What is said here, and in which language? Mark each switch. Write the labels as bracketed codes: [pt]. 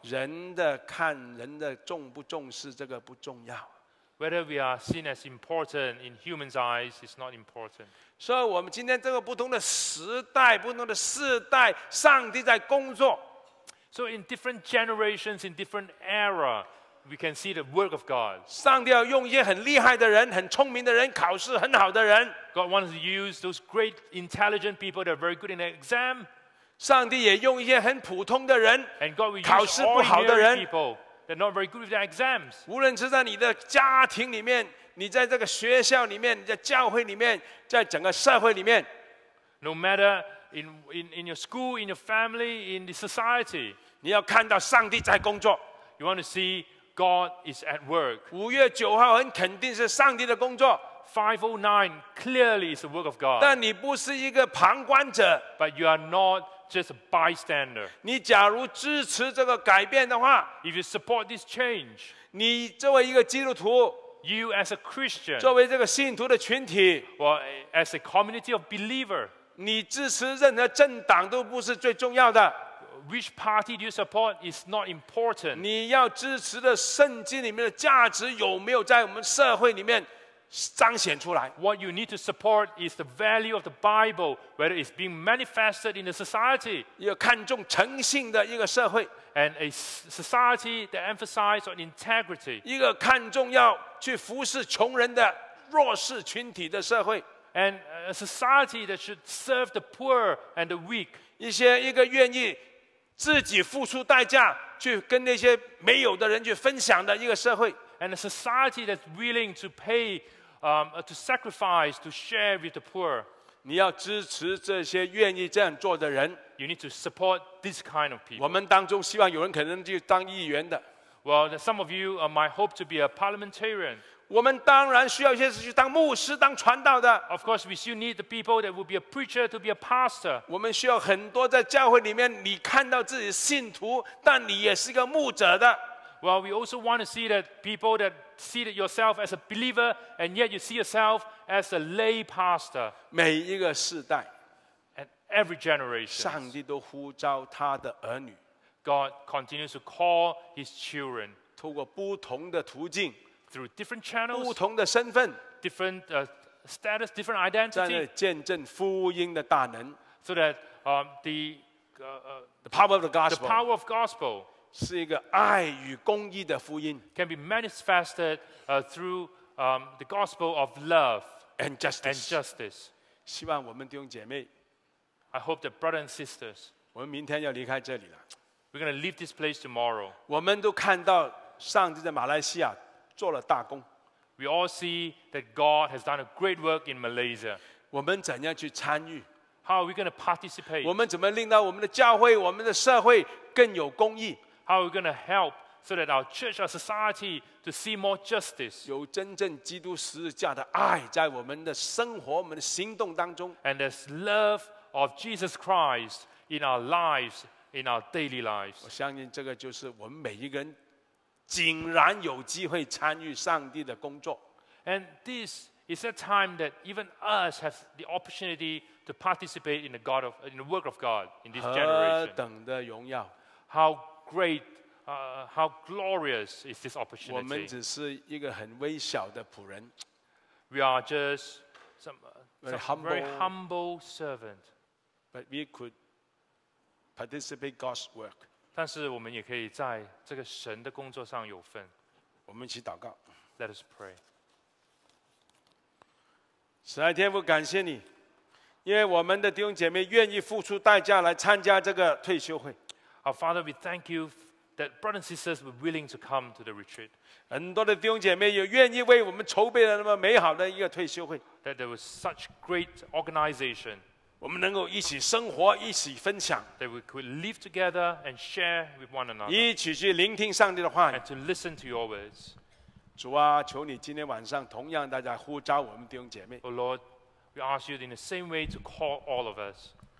[zh] 人的看人的重不重视这个不重要。 [en] Whether we are seen as important in humans' eyes is not important. [zh] 所以我们今天这个不同的时代，不同的世代，上帝在工作。 [en] So in different generations, in different era, we can see the work of God. [zh] 上帝要用一些很厉害的人，很聪明的人，考试很好的人。 [en] God wants to use those great intelligent people that are very good in the exam. [zh] 上帝也用一些很普通的人， [en] and God will use ordinary people that are not very good with their exams. [zh] 无论是在你的家庭里面，你在这个学校里面，在教会里面，在整个社会里面， [en] no matter in your school, in your family, in the society, [zh] 你要看到上帝在工作。 [en] You want to see God is at work. [zh] 五月九号很肯定是上帝的工作。 [en] 509 clearly is the work of God. [zh] 但你不是一个旁观者。 [en] But you are not just a bystander. [zh] 你假如支持这个改变的话， [en] If you support this change, [zh] 你作为一个基督徒， [en] You as a Christian, [zh] 作为这个信徒的群体， [en] Well, as a community of believers, [zh] 你支持任何政党都不是最重要的。 [en] Which party do you support is not important. [zh] 你要支持的圣经里面的价值有没有在我们社会里面彰显出来。 [en] What you need to support is the value of the Bible, whether it's being manifested in the society. [zh] 要看重诚信的一个社会。 [en] And a society that emphasizes on integrity. [zh] 一个看重要去服侍穷人的弱势群体的社会。 [en] And a society that should serve the poor and the weak. [zh] 一些一个愿意自己付出代价去跟那些没有的人去分享的一个社会。 [en] And a society that's willing to pay, to sacrifice, to share with the poor. [zh] 你要支持这些愿意这样做的人。 [en] You need to support this kind of people. [zh] 我们当中希望有人可能就当议员的。 [en] Well, some of you might hope to be a parliamentarian. [zh] 我们当然需要一些是去当牧师当传道的。 [en] Of course, we still need the people that will be a preacher to be a pastor. [zh] 我们需要很多在教会里面你看到自己信徒但你也是一个牧者的。 [en] Well, we also want to see that people that see yourself as a believer and yet you see yourself as a lay pastor. [zh] 每一个世代 [en] and every generation, [zh] 上帝都呼召他的儿女。 [en] God continues to call his children. [zh] 透过不同的途径 [en] Through different channels, [zh] 不同的身份 [en] different status, different identity, [zh] 见证福音的大能 [en] so that the power of the gospel, the power of gospel [zh] 是一个爱与公义的福音 [en] can be manifested through the gospel of love and justice. And justice. [zh] 希望我们弟兄姐妹 [en] I hope that brothers and sisters, [zh] 我们明天要离开这里了 [en] we're going to leave this place tomorrow. [zh] 我们都看到上帝在马来西亚做了大工。 [en] We all see that God has done a great work in Malaysia. [zh] 我们怎样去参与？ [en] How are we going to participate? [zh] 我们怎么令到我们的教会、我们的社会更有公义？ [en] How are we going to help so that our church, our society, to see more justice? [zh] 有真正基督十字架的爱在我们的生活、我们的行动当中。 [en] And there's love of Jesus Christ in our lives, in our daily lives. [zh] 我相信这个就是我们每一个人竟然有机会参与上帝的工作。 [en] And this is a time that even us have the opportunity to participate in the work of God in this generation. [zh] 何等的荣耀。 [en] How great, how glorious is this opportunity? [zh] 我们只是一个很微小的仆人。 [en] We are just very humble servant. But we could participate God's work. [zh] 但是我们也可以在这个神的工作上有份。我们一起祷告。 [en] Let us pray. [zh] 神啊，天父，感谢你，因为我们的弟兄姐妹愿意付出代价来参加这个退休会。 [en] Our Father, we thank you that brothers and sisters were willing to come to the retreat. [zh] 很多的弟兄姐妹也愿意为我们筹备了那么美好的一个退休会。 [en] That there was such great organization. [zh] 我们能够一起生活，一起分享。 [en] That we could live together and share with one another. [zh] 一起去聆听上帝的话语。 [en] And to listen to your words. [zh] 主啊，求你今天晚上同样大家呼召我们弟兄姐妹。 [en] Oh Lord, we ask you in the same way to call all of us.